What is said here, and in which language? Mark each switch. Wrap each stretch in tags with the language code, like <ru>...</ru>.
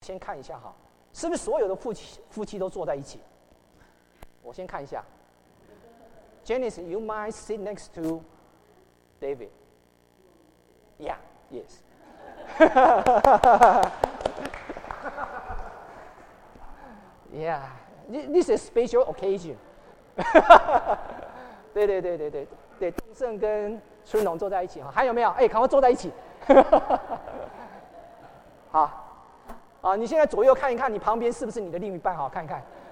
<zh>先看一下哈，是不是所有的夫妻都坐在一起？我先看一下。</zh> <en>Janice, you might sit next to David. Yeah, yes. 哈哈哈哈哈哈 Yeah, this is special occasion.</en> <zh>哈哈哈哈对对对对对对，东胜跟春龙坐在一起哈，还有没有？哎，赶快坐在一起。哈哈哈好，啊，你现在左右看一看，你旁边是不是你的另一半？好，看一看。</zh>